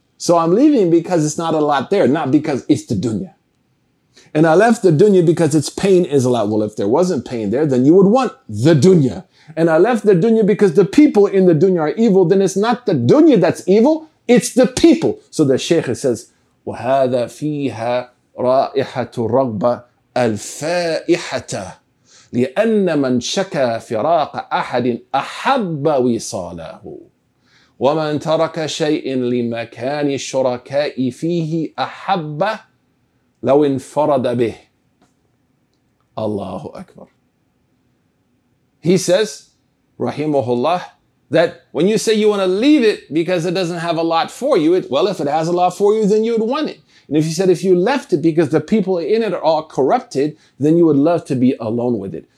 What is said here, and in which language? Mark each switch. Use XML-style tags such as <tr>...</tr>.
<en>So I'm leaving because it's not a lot there, not because it's the dunya. And I left the dunya because its pain is a lot. Well, if there wasn't pain there, then you would want the dunya. And I left the dunya because the people in the dunya are evil. Then it's not the dunya that's evil, it's the people. So the Shaykh says,</en> <ar>وَهَذَا فِيهَا رَائِحَةُ رَغْبَةً الفائحة لأن من شكى فراق أحد أحب وصاله ومن ترك شيء لمكان الشركاء فيه أحب لو انفرد به. الله أكبر.</ar> <en>He says, rahimahullah, that when you say you want to leave it because it doesn't have a lot for you, if it has a lot for you, then you would want it. And if you said if you left it because the people in it are all corrupted, then you would love to be alone with it.</en>